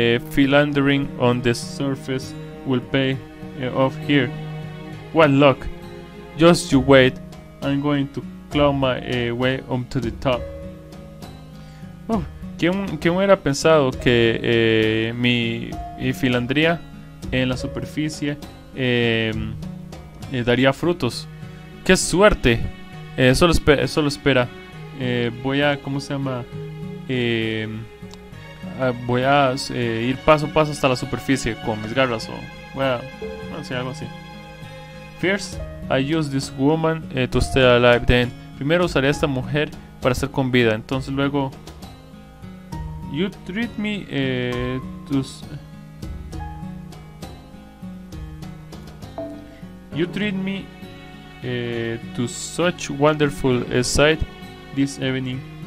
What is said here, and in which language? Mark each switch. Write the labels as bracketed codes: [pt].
[en] philandering on the surface will pay off here. What luck! Just you wait, I'm going to claw my way up to the top. [es] ¿Quién hubiera pensado que mi filandría en la superficie daría frutos? ¡Qué suerte! Solo espera. Voy a ir paso a paso hasta la superficie con mis garras o algo así. [en] First, I use this woman to stay alive. Then, [es] primero usaré a esta mujer para estar con vida. Entonces luego, [en] you treat me to such wonderful sight this evening.